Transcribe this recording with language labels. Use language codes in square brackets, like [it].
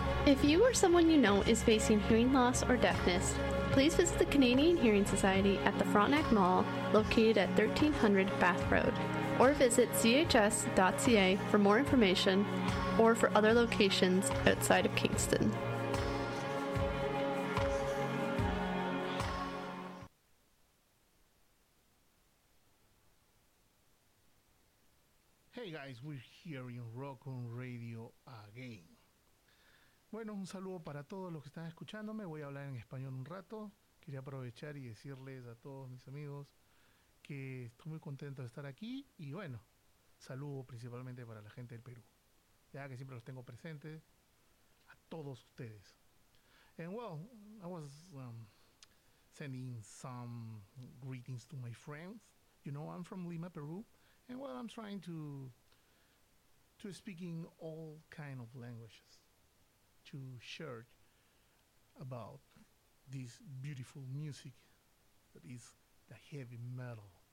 [en] If you or someone you know is facing hearing loss or deafness, please visit the Canadian Hearing Society at the Frontenac Mall, located at 1300 Bath Road, or visit chs.ca for more information or for other locations outside of Kingston. Hey guys, we're here in Rock on Radio again. [es] Bueno, un saludo para todos los que están escuchándome. Voy a hablar en español un rato. Quería aprovechar y decirles a todos mis amigos que estoy muy contento de estar aquí. Y bueno, saludo principalmente para la gente del Perú. Ya que siempre los tengo presentes a todos ustedes. [en] And well, I was sending some greetings to my friends. You know, I'm from Lima, Peru. And well, I'm trying to speak in all kind of languages. To share about this beautiful music that is the heavy metal.